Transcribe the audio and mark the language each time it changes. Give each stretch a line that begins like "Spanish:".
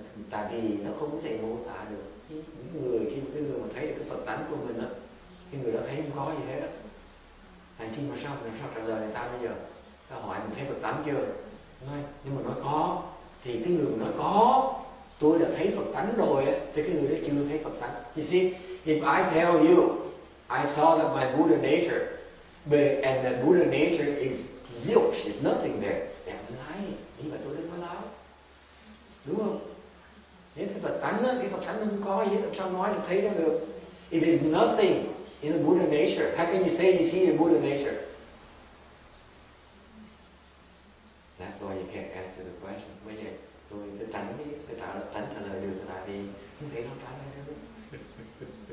Vietnamese: Tại vì nó không có thể mô tả được. Những người khi cái người mà thấy được cái Phật tánh của mình á, cái người đó thấy không có gì hết á. Thành khi mà sao trả lời người ta bây giờ, ta hỏi mình thấy Phật tánh chưa? Nói, nhưng mà nói có, thì cái người mà nói có, tôi đã thấy Phật tánh rồi á, thì cái người đó chưa thấy Phật tánh.
English: You see, if I tell you, I saw that my Buddha nature, and the Buddha nature is zilch, is nothing there.
Vietnamese: Thì
English: I'm lying.
Vietnamese: Nhưng mà tôi đừng có lao. Đúng không? Nếu thấy Phật tánh á, cái Phật tánh không có gì, làm sao nói được thấy ra được?
English: If it's nothing in the Buddha nature, how can you say you see the Buddha nature? That's why you can't answer the question.
Vietnamese: Bây giờ tôi tự tránh đi, tự trả lời tránh trả lời được, tại vì không thể nào trả lời được.